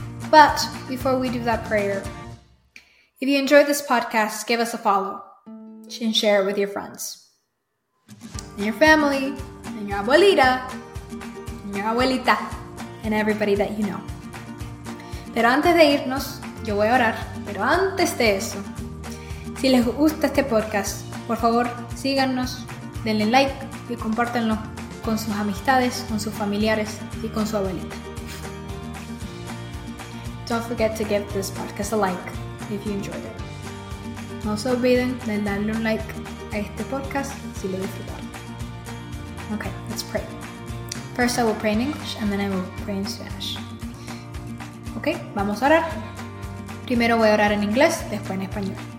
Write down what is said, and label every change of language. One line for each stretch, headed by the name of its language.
English: But before we do that prayer, if you enjoyed this podcast, give us a follow and share it with your friends and your family and your abuelita and your abuelita and everybody that you know.
Spanish: Pero antes de irnos, yo voy a orar. Pero antes de eso, si les gusta este podcast, por favor, síganos, denle like y compártanlo con sus amistades, con sus familiares y con su abuelita.
English: Don't forget to give this podcast a like if you enjoyed it.
Spanish: No se olviden de darle un like a este podcast si lo disfrutaron.
English: Okay, let's pray. First I will pray in English and then I will pray in Spanish.
Spanish: Okay, vamos a orar. Primero voy a orar en inglés, después en español.